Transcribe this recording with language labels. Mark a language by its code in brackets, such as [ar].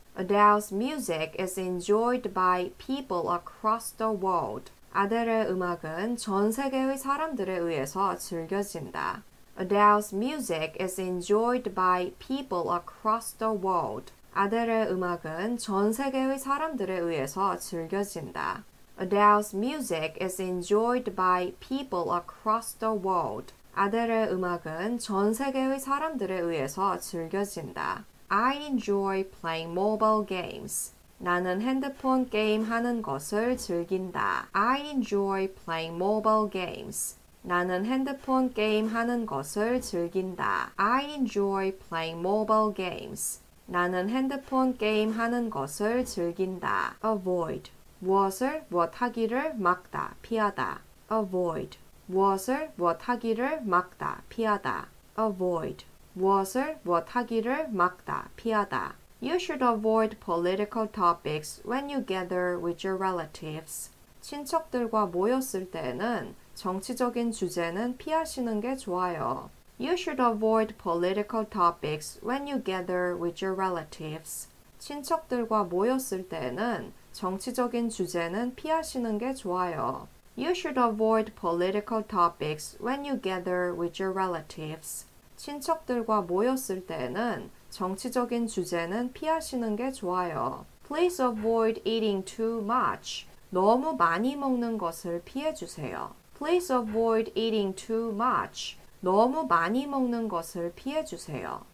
[en] Adele's music is enjoyed by people across the world. [ko] 아델의 음악은 전 세계의 사람들에 의해서 즐겨진다. [en] Adele's music is enjoyed by people across the world. [ko] 아델의 음악은 전 세계의 사람들에 의해서 즐겨진다. [en] Adele's music is enjoyed by people across the world. [ko] 아델의 음악은 전 세계의 사람들에 의해서 즐겨진다. [en] I enjoy playing mobile games. [ko] 나는 핸드폰 게임 하는 것을 즐긴다. [en] I enjoy playing mobile games. [ko] 나는 핸드폰 게임 하는 것을 즐긴다. [en] I enjoy playing mobile games. [ko] 나는 핸드폰 게임 하는 것을 즐긴다. [en] Avoid. [ko] 무엇을 무엇하기를 막다, 피하다. [en] Avoid. [ko] 무엇을 무엇하기를 막다, 피하다. [en] Avoid. [ko] 무엇을 무엇하기를 막다, 피하다. [en] You should avoid political topics when you gather with your relatives. [ko] 친척들과 모였을 때에는 정치적인 주제는 피하시는 게 좋아요. [en] You should avoid political topics when you gather with your relatives. [ko] 친척들과 모였을 때에는 정치적인 주제는 피하시는 게 좋아요. [en] You should avoid political topics when you gather with your relatives. [ko] 친척들과 모였을 때에는 정치적인 주제는 피하시는 게 좋아요. [en] Please avoid eating too much. [ko] 너무 많이 먹는 것을 피해 주세요. [en] Please avoid eating too much. [ko] 너무 많이 먹는 것을 피해 주세요.